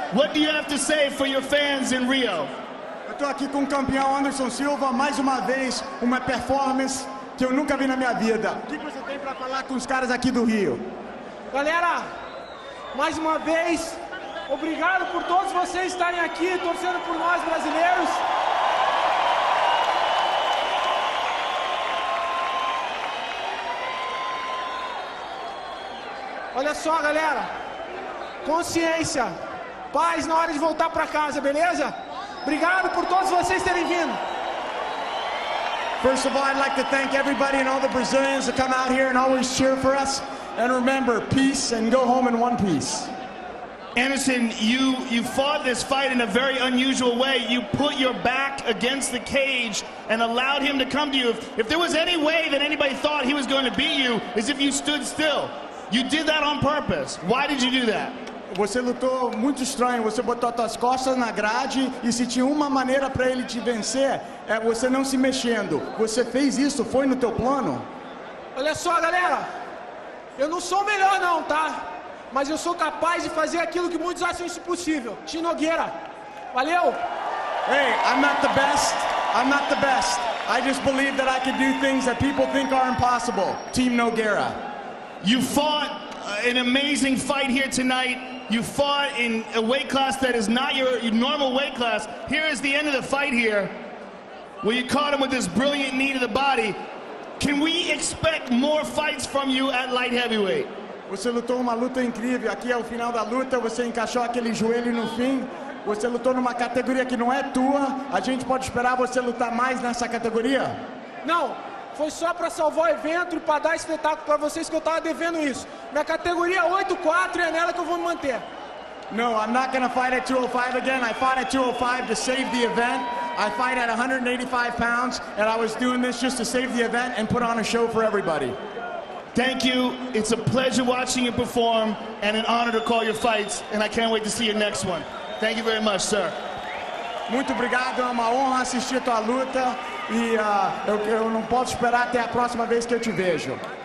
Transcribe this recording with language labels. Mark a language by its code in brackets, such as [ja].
[en] What do you have to say for your fans in Rio? [pt] Eu estou aqui com o campeão Anderson Silva, mais uma vez, uma performance que eu nunca vi na minha vida. O que você tem para falar com os caras aqui do Rio? Galera, mais uma vez, obrigado por todos vocês estarem aqui torcendo por nós brasileiros. Olha só, galera, consciência, paz na hora de voltar para casa, beleza? Obrigado por todos vocês terem vindo. [en] First of all, I'd like to thank everybody and all the Brazilians that come out here and always cheer for us. And remember, peace and go home in one piece. Anderson, you fought this fight in a very unusual way. You put your back against the cage and allowed him to come to you. If there was any way that anybody thought he was going to beat you, is if you stood still. You did that on purpose. Why did you do that? [pt] Você lutou muito estranho. Você botou suas costas na grade e se tinha uma maneira para ele te vencer é você não se mexendo. Você fez isso? Foi no teu plano? Olha só, galera. Eu não sou melhor não, tá? Mas eu sou capaz de fazer aquilo que muitos acham impossível. Tinogueira. Valeu. [en] Hey, I'm not the best. I'm not the best. I just believe that I can do things that people think are impossible. Team Nogueira. You fought an amazing fight here tonight. You fought in a weight class that is not your normal weight class. Here is the end of the fight here, where you caught him with this brilliant knee to the body. Can we expect more fights from you at light heavyweight? [pt] Você lutou uma luta incrível. Aqui é o final da luta. Você encaixou aquele joelho no fim. Você lutou numa categoria que não é tua. A gente pode esperar você lutar mais nessa categoria? Não. Foi só para salvar o evento e para dar espetáculo para vocês que eu tava devendo isso. Minha categoria 8-4 é nela que eu vou me manter. [en] No, I'm not gonna fight at 205 again. I fought at 205 to save the event. I fight at 185 pounds and I was doing this just to save the event and put on a show for everybody. Thank you. It's a pleasure watching you perform and an honor to call your fights and I can't wait to see your next one. Thank you very much, sir. [pt] Muito obrigado. É uma honra assistir a tua luta. E eu não posso esperar até a próxima vez que eu te vejo.